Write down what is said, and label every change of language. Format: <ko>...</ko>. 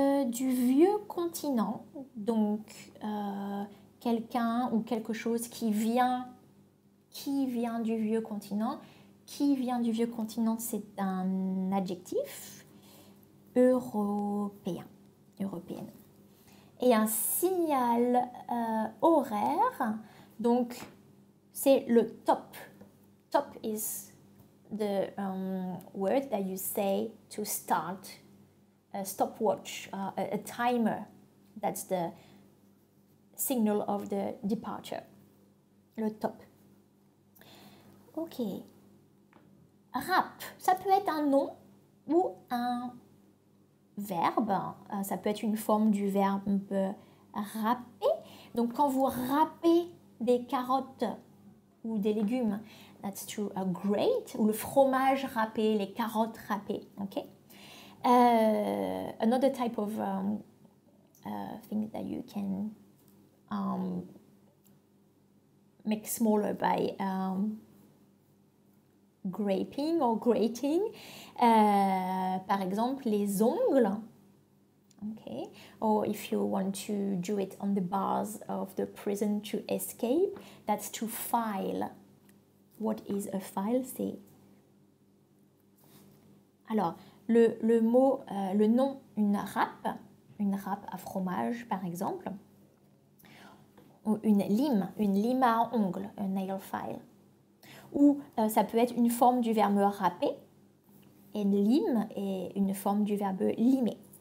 <fr>Du vieux continent, donc quelqu'un ou quelque chose qui vient du vieux continent. Qui vient du vieux continent, c'est un adjectif européen, européenne. Et un signal horaire, donc c'est le top.</fr> <en>Top is the word that you say to start a stopwatch, a timer. That's the signal of the departure.</en> <fr>Le top. Ok. Rap, ça peut être un nom ou un verbe. Ça peut être une forme du verbe râper. Donc, quand vous râpez des carottes ou des légumes,</fr> <en>that's to grate.</en> <fr>Ou le fromage râpé, les carottes râpées. Ok.</fr> <en>Another type of thing that you can make smaller by graping or grating,</en> <fr>par exemple les ongles,</fr> <en>okay, or if you want to do it on the bars of the prison to escape, that's to file. What is a file?</en> <fr>C'est alors le mot, le nom, une râpe à fromage par exemple, ou une lime à ongles,</fr> <en>a nail file.</en> <fr>Ou ça peut être une forme du verbe râper, et lime est une forme du verbe limer.</fr>